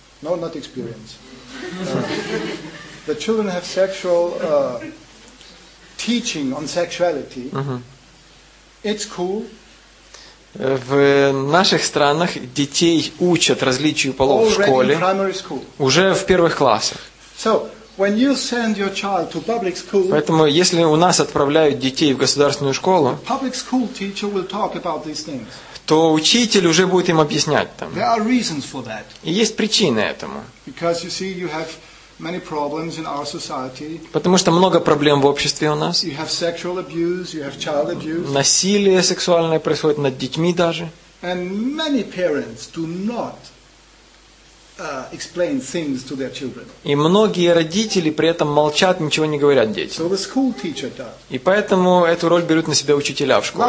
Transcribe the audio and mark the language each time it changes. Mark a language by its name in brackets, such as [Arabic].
[English] No, not experience. the children have sexual teaching on sexuality. Uh-huh. It's cool. [Russian] В наших странах детей учат различию полов [English] already [Russian] в школе. [English] In primary school. [Russian] Уже в первых классах. [English] So, when you send your child to public school, [Russian] поэтому, если у нас отправляют детей в государственную школу, [English] the public school teacher will talk about these things. [Russian] То учитель уже будет им объяснять там. [English] There are reasons for that. [Russian] И есть причины этому. [English] Because you see, you have many problems in our society. [Russian] Потому что много проблем в обществе у нас. [English] You have sexual abuse, you have child abuse. [Russian] Насилие сексуальное происходит над детьми даже. [English] And many parents do not explain things to their children. [Russian] И многие родители при этом молчат, ничего не говорят детям. [English] So the school teacher does. [Russian] И поэтому эту роль берут на себя учителя в школе.